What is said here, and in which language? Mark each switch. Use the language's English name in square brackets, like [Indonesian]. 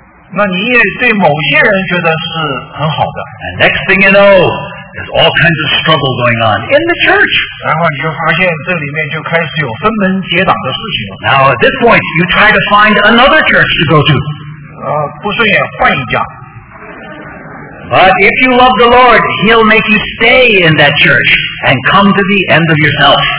[Chinese] 那你也对某些人觉得是很好的。 [English] And next thing you know, there's all kinds of struggle going on in the church. [Chinese] 然后你就发现这里面就开始有分门结党的事情了。 [English] Now at this point, you try to find another church to go to. [Chinese] 不顺眼换一家。 [English] But if you love the Lord, He'll make you stay in that church and come to the end of yourself.